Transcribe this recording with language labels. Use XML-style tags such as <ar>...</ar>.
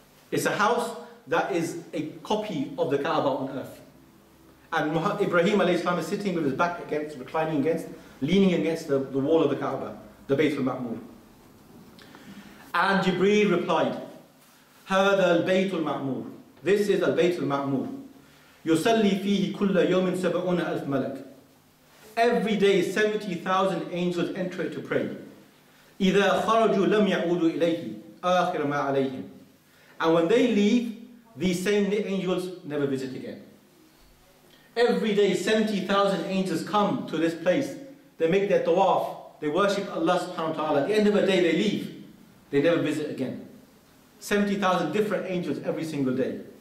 <en>It's a house that is a copy of the Kaaba on earth. And Ibrahim alayhi salam is sitting with his back against, reclining against, leaning against the wall of the Kaaba, the Bayt al-Ma'mur. And Jibreel replied,</en> <ar>هذا البيت المعمور.</ar> <en>This is</en> <ar>البيت المعمور. يصلي فيه كل يوم سبعون ألف ملك.</ar> <en>Every day 70,000 angels enter it to pray.</en> <ar>إذا خرجوا لم يعودوا إليه آخر ما عليهم.</ar> <en>And when they leave, these same angels never visit again. Every day 70,000 angels come to this place. They make their tawaf. They worship Allah subhanahu wa ta'ala. At the end of the day, they leave. They never visit again. 70,000 different angels every single day.</en>